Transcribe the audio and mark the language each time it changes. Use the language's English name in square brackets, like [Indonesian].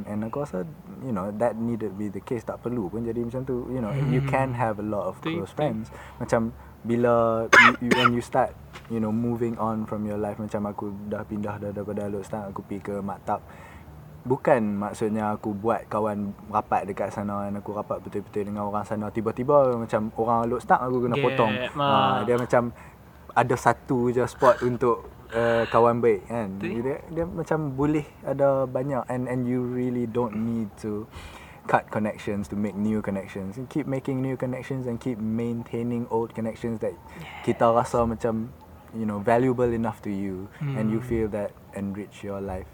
[Malay] And aku rasa, [English] you know, that needed be the case. [Malay] Tak perlu pun jadi macam tu. [English] You know, you can have a lot of close friends. Macam bila when you start, you know, moving on from your life. [Malay] Macam aku dah pindah daripada Lok Setang, aku pergi ke Maktab. Bukan maksudnya aku buat kawan rapat dekat sana dan aku rapat betul-betul dengan orang sana. Tiba-tiba macam orang Lok Setang aku kena potong. Dia macam ada satu je spot untuk kawan baik kan. Dia macam boleh ada banyak. [English] And you really don't need to cut connections to make new connections. You keep making new connections and keep maintaining old connections that [Malay] kita rasa macam, [English] you know, valuable enough to you and you feel that enrich your life.